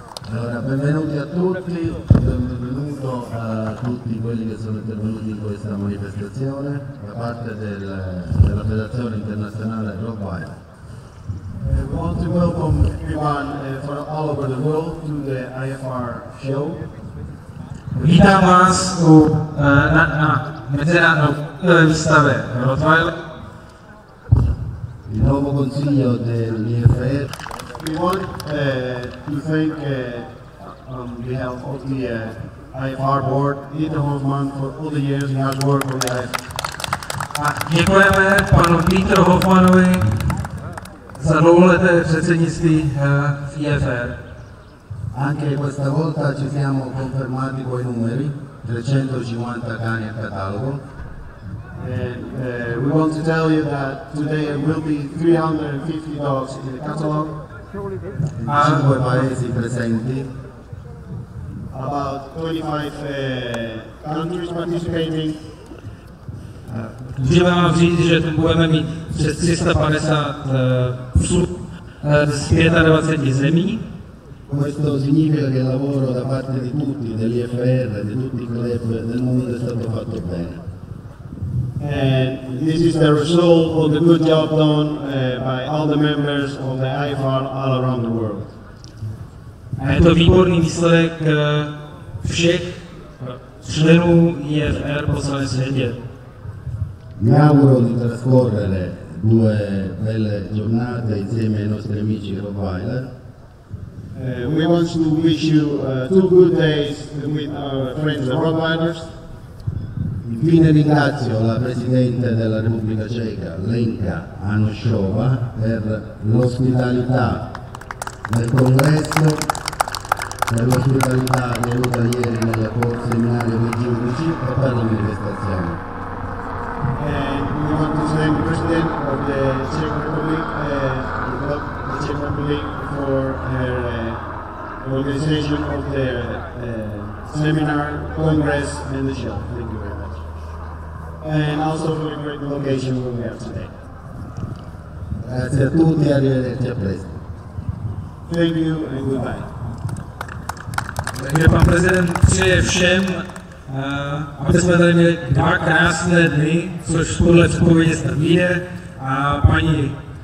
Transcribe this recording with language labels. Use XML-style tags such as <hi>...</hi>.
<it>Allora, benvenuti a tutti, benvenuto a tutti quelli che sono intervenuti in questa manifestazione da parte della Federazione Internazionale Rottweiler.</it> <en>I want to welcome everyone from all over the world to the IFR show.</en> <cs>Vítám vás u na mezinárodní výstavě Rottweiler.</cs> <it>Il nuovo consiglio dell'IFR.</it> <en>We want to thank on behalf of the IFR board, Dieter Hofmann, for all the years he has worked with IFR.</en> <cs>Děkujeme panu Dieter Hofmannovi za dlouholeté předsednictví IFR.</cs> <it>Anche questa volta ci siamo confermati coi numeri, 350 cani a catalogo.</it> <en>We want to tell you that today there will be 350 dogs in the catalog.</en> <it>In 5 paesi presenti.</it> <en>About 25 countries participating.</en> <cs>Můžeme vám říct, že tu budeme mít přes 350 psů z 25 zemí.</cs> <it>Questo significa che il lavoro da parte di tutti, dell'IFR, di tutti i club del mondo è stato fatto bene.</it> <en>And this is the result of the good job done by all the members of the IFR all around the world.</en> <cs>A je to výborný výsledek všech členů IFR po celém světě.</cs> <it>Mi auguro di trascorrere due belle giornate insieme ai nostri amici Rottweiler.</it> <en>We want to wish you two good days with our friends the Rottweilers.</en> <it>Infine ringrazio la Presidente della Repubblica Ceca, Lenka Anošová, per l'ospitalità del congresso. Per l'ospitalità venuta ieri nel seminario dei giudici e per la manifestazione.</it> <en>And we want to thank the President of the Czech Republic, the Czech Republic for her organization of the seminar, congress and the show. Thank you very much. And also for the great location we have today.</en> <it>Grazie a tutti, arrivederci a presto.</it> <en>Thank you and goodbye.</en> <cs>Takže pan prezident přeje všem, aby jsme tady měli dva krásné dny, což podle předpovědi se vyjde, a paní</cs>